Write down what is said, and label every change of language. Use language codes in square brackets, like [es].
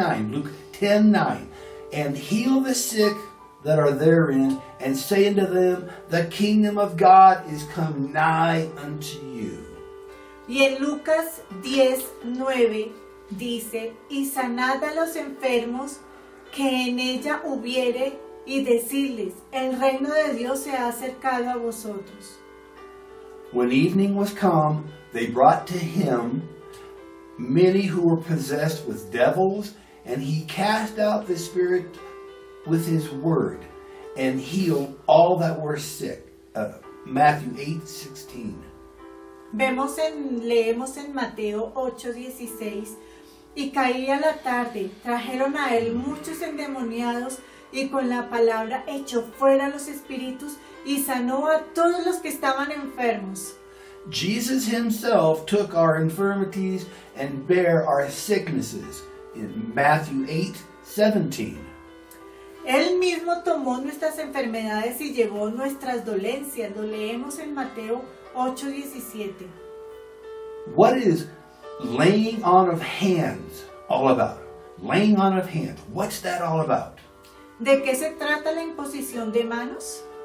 [en] Luke 10:9, and heal the sick that are therein, and say unto them, the kingdom of God is come nigh unto you. [es] Y en Lucas 10:9 dice, y sanad a los enfermos que en ella hubiere, y decirles, el reino de Dios se ha acercado a vosotros. [en] When evening was come, they brought to him many who were possessed with devils, And he cast out the spirit with his word and healed all that were sick. Matthew 8:16. [es] Leemos en Mateo 8:16. Y caía la tarde, trajeron a él muchos endemoniados y con la palabra echó fuera los espíritus y sanó a todos los que estaban enfermos. [en] Jesus himself took our infirmities and bare our sicknesses in Matthew 8:17. [es] Él mismo tomó nuestras enfermedades y llevó nuestras dolencias. Lo leemos en Mateo 8:17. [en] What is laying on of hands all about? Laying on of hands. What's that all about? [es] ¿De qué se trata la imposición de manos?